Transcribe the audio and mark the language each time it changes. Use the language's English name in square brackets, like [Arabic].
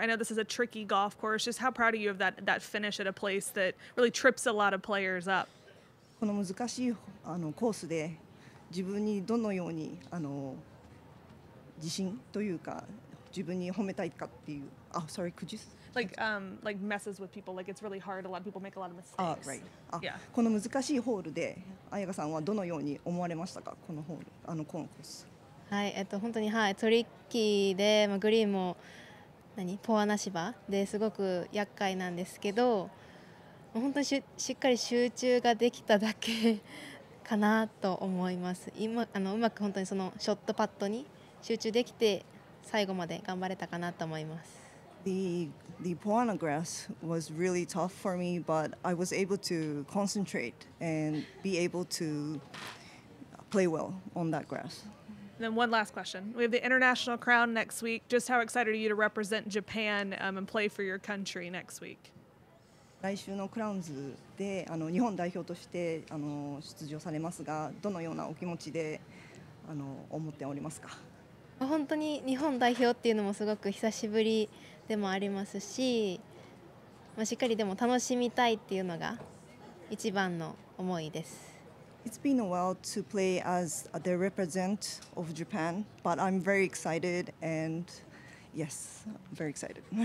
[English] I know this is a tricky golf course. Just how proud are you of that finish at a place that really trips a lot of players up? [Japanese] この難しいコースで自分にどのように自信というか自分に褒めたいかっていう、 [English] oh, sorry, could you? Like messes with people, like it's really hard, a lot of people make a lot of mistakes. Right. Yeah. [Japanese] この難しいホールで、あやかさんはどのように思われましたか、このホール、このコース。はい、本当に、はい、トリッキーで、まあ、グリーンも何ポアナ芝ですごく厄介なんですけど、本当に しっかり集中ができただけかなと思います。今うまく本当にそのショットパッドに集中できて最後まで頑張れたかなと思います。 [English] The poana grass was really tough for me, but I was able to concentrate and be able to play well on that grass. Then one last question. We have the international crown next week. Just how excited are you to represent Japan and play for your country next week? [Japanese] 来週のクラウンズで日本代表として出場されますが、どのようなお気持ちで思っておりますか？本当に日本代表っていうのもすごく久しぶりでもありますし、しっかりでも楽しみたいっていうのが一番の思いです。 [English] It's been a while to play as the represent of Japan, but I'm very excited and yes, very excited.